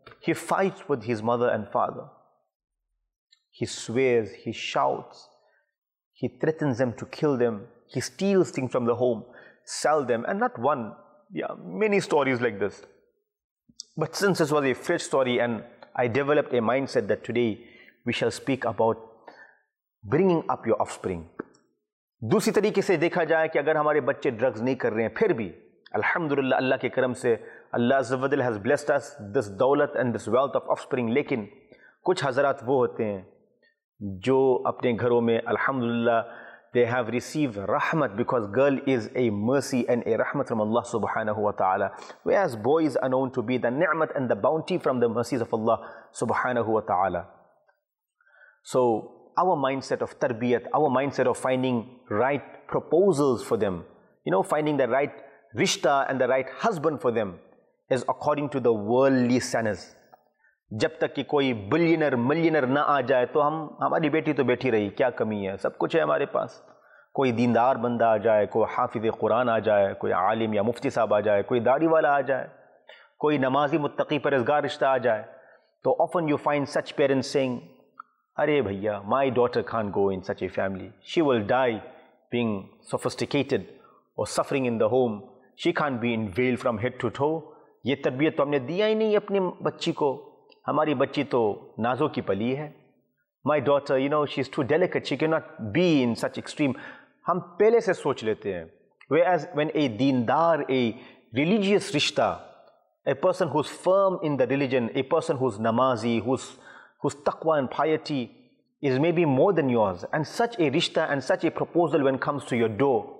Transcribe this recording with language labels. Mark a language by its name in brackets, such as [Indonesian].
[English] He fights with his mother and father. He swears, he shouts, he threatens them to kill them. He steals things from the home, sell them. And not one, yeah, many stories like this. But since this was a fresh story and I developed a mindset that today we shall speak about bringing up your offspring. [Urdu] دوسری طریقے سے دیکھا جائے کہ اگر ہمارے بچے drugs نہیں کر رہے ہیں پھر بھی الحمدللہ اللہ کے کرم سے اللہ عز و جل [English] has blessed us this [Urdu] دولت [English] and this wealth of offspring, [Urdu] لیکن کچھ حضرات وہ ہوتے ہیں جو اپنے گھروں میں الحمدللہ [English] they have received [Urdu] رحمت [English] because girl is a mercy and a [Urdu] رحمت from Allah سبحانہ و تعالی, [English] whereas boys are known to be the [Urdu] نعمت [English] and the bounty from the mercies of [Urdu] Allah سبحانہ و تعالی. [English] So our mindset of tarbiyat, our mindset of finding right proposals for them, you know, finding the right rishta and the right husband for them is according to the worldly standards. [Urdu] جب تک کہ کوئی بلینر milliner نہ آ جائے تو ہماری بیٹی تو بیٹھی رہی, کیا کمی ہے, سب کچھ ہے ہمارے پاس. کوئی دیندار بندہ آ جائے, کوئی حافظ قرآن آ جائے, کوئی عالم یا مفتی صاحب آ جائے, کوئی داڑھی والا آ جائے, کوئی نمازی متقی پرہیزگار رشتہ آ جائے, تو [English] often you find such parents saying, [Urdu] ارے بھیا, [English] my daughter can't go in such a family, she will die being sophisticated or suffering in the home, she can't be in veil from head to toe. [Urdu] یہ تربیت تو ہم نے دیا ہی نہیں اپنی بچی کو, ہماری بچی تو نازو کی پلی ہے. [English] My daughter, you know, she's too delicate, she cannot be in such extreme. [Urdu] ہم پہلے سے سوچ لیتے ہیں. [English] Whereas when a دیندار, a religious رشتہ, a person who's firm in the religion, a person who's نمازی, whose taqwa and piety is maybe more than yours, and such a rishta and such a proposal when comes to your door